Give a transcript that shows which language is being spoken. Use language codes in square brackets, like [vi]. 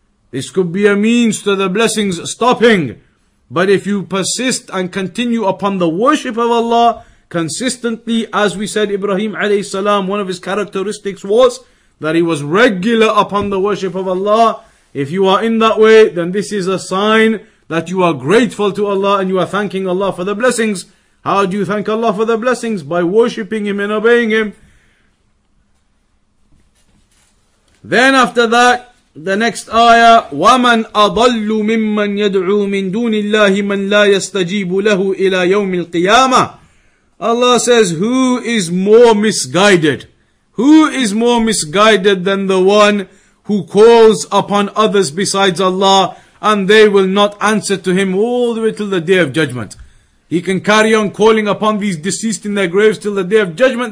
[en] This could be a means to the blessings stopping. But if you persist and continue upon the worship of Allah consistently, as we said, Ibrahim alayhi salam, one of his characteristics was that he was regular upon the worship of Allah. If you are in that way, then this is a sign that you are grateful to Allah and you are thanking Allah for the blessings. How do you thank Allah for the blessings? By worshipping Him and obeying Him. [ar] Then after that, the next ayah, وَمَنْ أَضَلُّ مِمَّنْ يَدْعُو مِنْ دُونِ اللَّهِ مَنْ لَا يَسْتَجِيبُ لَهُ إِلَى يَوْمِ الْقِيَامَةِ. [en] Allah says, who is more misguided? Who is more misguided than the one who calls upon others besides Allah and they will not answer to him all the way till the day of judgment? He can carry on calling upon these deceased in their graves till the day of judgment.